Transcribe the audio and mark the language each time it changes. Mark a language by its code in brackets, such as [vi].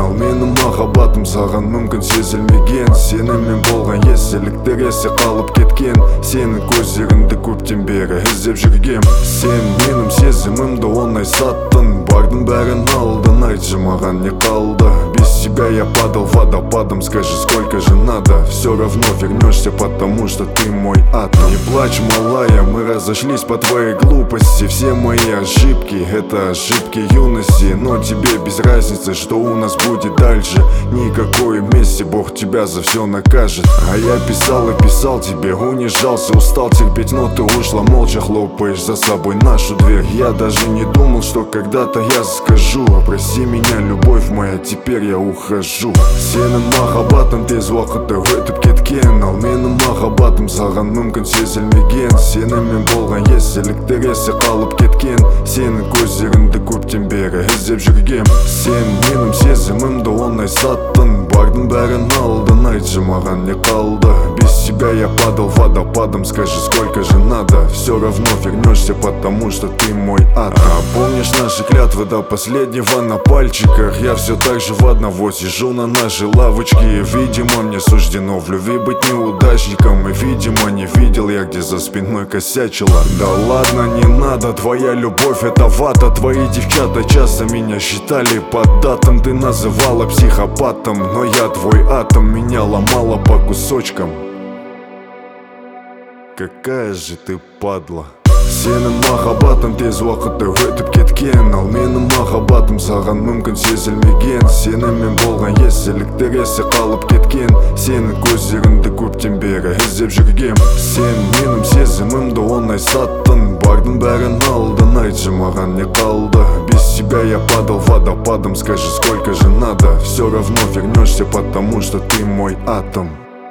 [kk] Ал менің махаббатым саған мүмкін сезілмеген. Сенімен болған естеліктер есте қалып кеткен. Сенің көздеріңді көптен бері іздеп жүргем. Сен менің сезімімді оңай саттың. Бардың бәрін алдың, айтшы маған не қалды. [ru] Тебя я падал водопадом, скажи, сколько же надо. Все равно вернешься, потому что ты мой атом. Не плачь, малая, мы разошлись по твоей глупости. Все мои ошибки, это ошибки юности. Но тебе без разницы, что у нас будет дальше. Никакой мести, Бог тебя за все накажет. А я писал и писал тебе, унижался, устал терпеть. Но ты ушла молча, хлопаешь за собой нашу дверь. Я даже не думал, что когда-то я скажу. Прости меня, любовь моя, теперь я ухожу. [kk] Сенің махаббатым тез уақытта өтіп кеткен. Ал менің махаббатым саған мүмкін сезілмеген. Сенімен болған естеліктер есте қалып кеткен. Сенің көздеріңді көптен бері іздеп жүргем. Сен менің сезімімді оңай саттың. Бардың бәрін алдың, айтшы маған не қалды. [ru] Без тебя я падал водопадом, скажи, сколько же надо. Все равно вернешься, потому что ты мой ад. А помнишь наши клятвы до последнего на пальчиках? Я все так же в одного сижу на нашей лавочке. Видимо, мне суждено в любви быть неудачником. И видимо, не видел я, где за спиной косячила. Да ладно, не надо, твоя любовь это вата. Твои девчата часто меня считали поддатым. Ты называла психопатом, но я твой атом. Меня ломала по кусочкам. Какая же ты падла. [kk] Сенің махаббатым тез уақытта өтіп кеткен. Ал менің махаббатым саған мүмкін сезілмеген. Сенімен болған естеліктер есте қалып кеткен. Сенің көздеріңді көптен бері іздеп жүргем. Сен менің сезімімді оңай саттың. Бардың бәрін алдың, айтшы маған не қалды. [ru] Без тебя я падал водопадом, скажи, сколько же надо. Все равно вернешься, потому что ты мой атом.